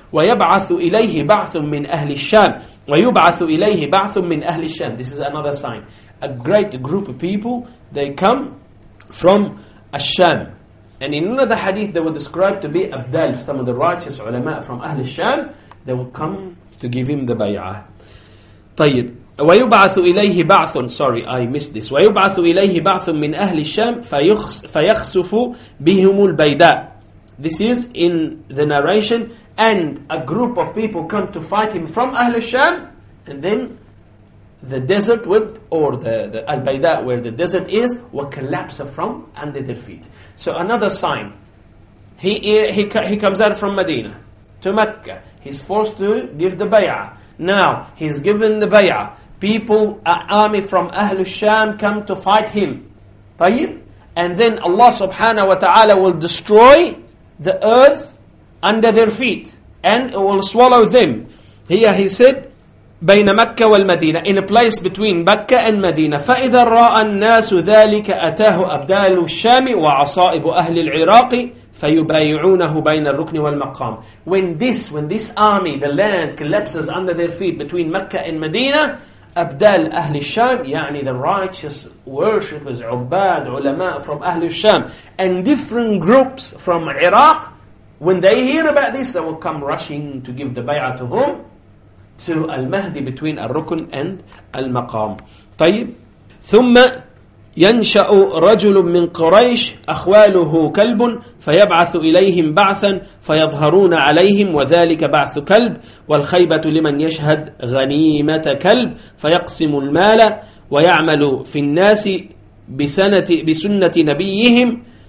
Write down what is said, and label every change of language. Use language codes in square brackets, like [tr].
[ar] وَيَبْعَثُ إِلَيْهِ بَعْثٌ مِّنْ أَهْلِ الشَّامِ وَيُبْعَثُ إِلَيْهِ بَعْثٌ مِّنْ أَهْلِ الشَّامِ. [en] This is another sign. A great group of people, they come from al-Sham. And in another hadith, they were described to be Abdal, some of the righteous ulama from Ahl al-Sham, they will come to give him the bay'ah. [ar] طيب, وَيُبْعَثُ إِلَيْهِ بَعْثٌ, [en] sorry, I missed this, [ar] وَيُبْعَثُ إِلَيْهِ بَعْثٌ مِّنْ أَهْلِ الشَّامِ فَيَخْسُفُ بِهِمُ الْبَيْدَاءِ. [en] This is in the narration, and a group of people come to fight him from Ahl al-Sham, and then the desert would, or the al-bayda, where the desert is, will collapse from under their feet. So another sign, he comes out from Medina to Mecca. He's forced to give the bay'ah. Now, he's given the bay'ah. People, an army from Ahl al-Sham come to fight him. Tayyib? And then Allah subhanahu wa ta'ala will destroy the earth under their feet. And it will swallow them. Here he said, [ar] بين مكة والمدينة, [en] in a place between مكة and مدينة. [ar] فإذا رأى الناس ذلك أتاه أبدال الشام وعصائب أهل العراق فيبايعونه بين الركن والمقام. [en] When this army, the land, collapses under their feet between مكة and مدينة, [ar] أبدال أهل الشام, [en] يعني the righteous worshippers, عباد, علماء from أهل الشام, and different groups from Iraq, when they hear about this, they will come rushing to give the bay'ah to whom? To Al-Mahdi, between Al-Rukun and Al-Maqam. [ar] طيب. ثم ينشأ رجل من قريش أخواله كلب فيبعث إليهم بعثا فيظهرون عليهم وذلك بعث كلب والخيبة لمن يشهد غنيمة كلب فيقسم المال ويعمل في الناس بسنة نبيهم